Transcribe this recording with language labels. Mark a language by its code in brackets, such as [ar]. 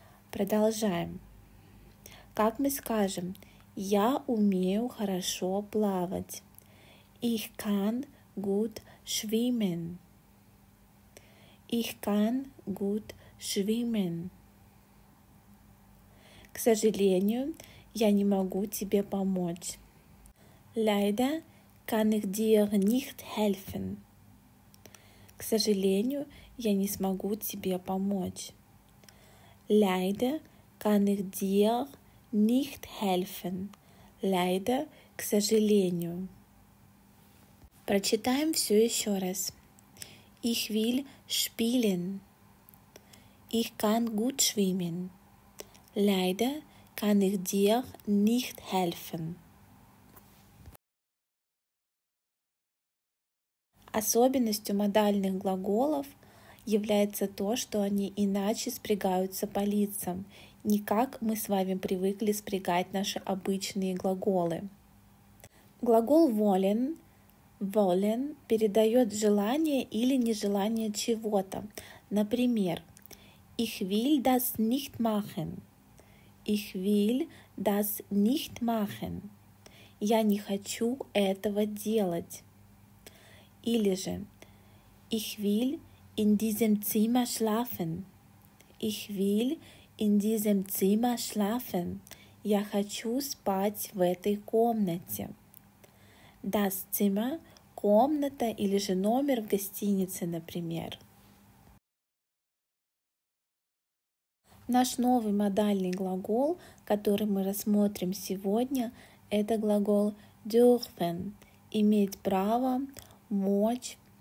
[ru] Продолжаем. Как мы скажем «я умею хорошо плавать»? [de] Ich kann gut schwimmen. Ich kann gut schwimmen. [ru] К сожалению, я не могу тебе помочь. [de] Leider kann ich dir nicht helfen. [ru] К сожалению, я не смогу тебе помочь. [de] Leider kann ich dir nicht helfen. [ru] Leider, к сожалению. Прочитаем все еще раз. [de] Ich will spielen. Ich kann gut schwimmen. Leider kann ich dir nicht helfen. [ru] Особенностью модальных глаголов является то, что они иначе спрягаются по лицам, не как мы с вами привыкли спрягать наши обычные глаголы. Глагол wollen, wollen передает желание или нежелание чего-то. [de] Например, ich will das nicht machen. Ich will das nicht machen. [ru] Я не хочу этого делать. Или же [de] ich will in diesem Zimmer schlafen. Ich will in diesem Zimmer schlafen. [ru] Я хочу спать в этой комнате. [de] Das Zimmer [ru] – комната или же номер в гостинице, например. Наш новый модальный глагол, который мы рассмотрим сегодня, это глагол dürfen – иметь право, мочь.